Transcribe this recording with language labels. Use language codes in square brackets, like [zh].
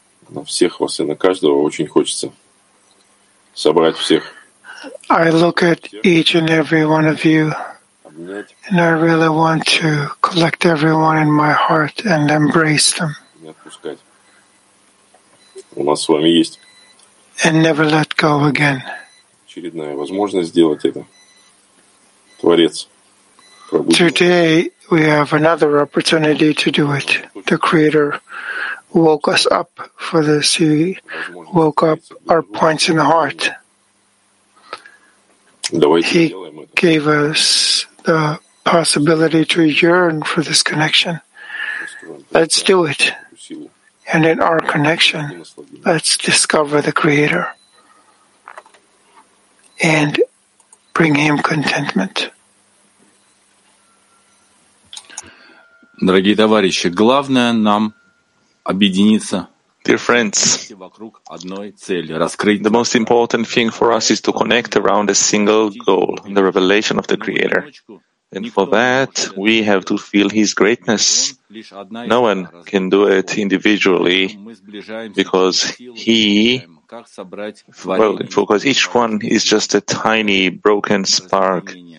[ru] на всех вас и на каждого очень хочется собрать всех. [en] I look at each and every one of you, and I really want to collect everyone in my heart and embrace them. [ru] У нас с вами есть. [en] And never let go again. [ru] Очередная возможность сделать это. Творец. [en] Today we have another opportunity to do it. The Creator woke us up for this. He woke up our points in the heart. He gave us the possibility to yearn for this connection. Let's do it. And in our connection, let's discover the Creator and bring Him contentment. [ru] Дорогие товарищи, главное нам объединиться. [en] Dear friends, the most important thing for us is to connect around a single goal, the revelation of the Creator. And for that, we have to feel His greatness. No one can do it individually, because He, because each one is just a tiny broken spark.